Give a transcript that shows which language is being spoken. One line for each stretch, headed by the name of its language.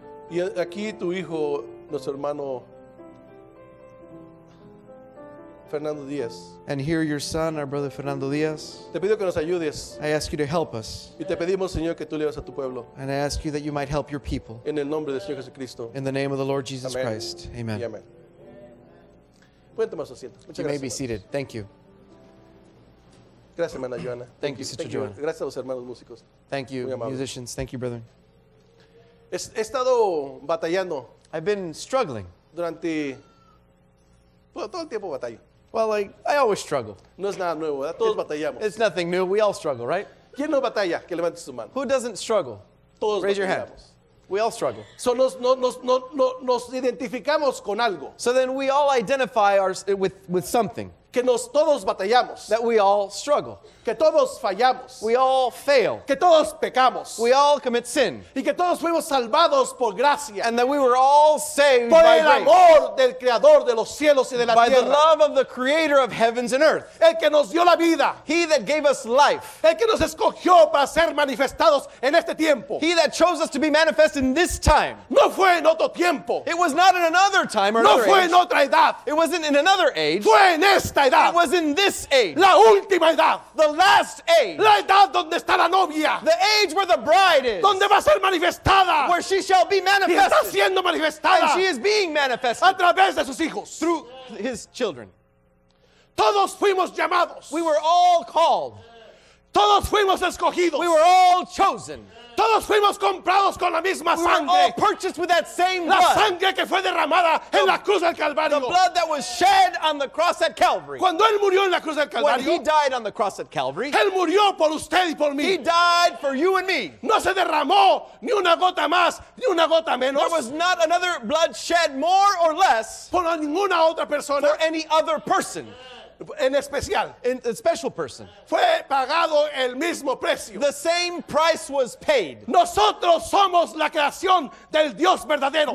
Spanish: Y aquí tu hijo, nuestro hermano Fernando Díaz.
English: And here your son, our brother Fernando Díaz.
Spanish: Te pido que nos ayudes.
English: I ask you to help us.
Spanish: Y te pedimos, Señor, que tú le ayudes a tu pueblo.
English: And I ask you that you might help your people.
Spanish: En el nombre del Señor Jesucristo.
English: In the name of the Lord Jesus Christ. Amen.
Spanish: Pueden tomar su asiento.
English: You may be seated. Thank you.
Spanish: Gracias, hermana Joana.
English: Thank you, Sister Joana.
Spanish: Gracias a los hermanos músicos.
English: Thank you, musicians. Thank you, brother.
Spanish: He estado batallando.
English: I've been struggling.
Spanish: Durante todo el tiempo batallo.
English: Well, I always struggle.
Spanish: No es nada nuevo, todos batallamos.
English: It's nothing new. We all struggle, right?
Spanish: ¿Quién no batalla? Que levante su mano.
English: Who doesn't struggle?
Spanish: Todos
English: raise your hand. We all struggle.
Spanish: So nos identificamos con algo.
English: So then we all identify with something.
Spanish: Que nos todos batallamos.
English: That we all struggle.
Spanish: Que todos fallamos.
English: We all fail.
Spanish: Que todos pecamos.
English: We all commit sin.
Spanish: Y que todos fuimos salvados por gracia.
English: And that we were all saved
Spanish: por
English: by
Spanish: el amor del creador de los cielos y de la
English: by
Spanish: tierra.
English: By the love of the creator of heavens and earth.
Spanish: El que nos dio la vida.
English: He that gave us life.
Spanish: El que nos escogió para ser manifestados en este tiempo.
English: He that chose us to be manifest in this time.
Spanish: No fue en otro tiempo.
English: It was not in another time or
Spanish: no
English: another
Spanish: fue
English: age.
Spanish: En otra edad.
English: It wasn't in another age.
Spanish: Fue en esta edad.
English: It was in this age.
Spanish: La última edad.
English: The last age.
Spanish: La edad donde está la novia.
English: The age where the bride is.
Spanish: Donde va a ser manifestada.
English: Where she shall be manifested.
Spanish: Y está siendo manifestada.
English: And she is being manifested.
Spanish: A través de sus hijos.
English: Through his children.
Spanish: Todos fuimos llamados.
English: We were all called.
Spanish: Todos fuimos escogidos.
English: We were all chosen.
Spanish: Todos fuimos comprados con la misma sangre.
English: We were all purchased with that same
Spanish: la
English: blood.
Spanish: La sangre que fue derramada en la cruz del Calvario.
English: The blood that was shed on the cross at Calvary.
Spanish: Cuando él murió en la cruz del Calvario.
English: When he died on the cross at Calvary.
Spanish: Él murió por usted y por mí.
English: He died for you and me.
Spanish: No se derramó ni una gota más ni una gota menos.
English: There was not another blood shed more or less
Spanish: por ninguna otra persona.
English: For any other person.
Spanish: En especial.
English: A special person.
Spanish: Fue pagado el mismo precio.
English: The same price was paid.
Spanish: Nosotros somos la creación del Dios verdadero.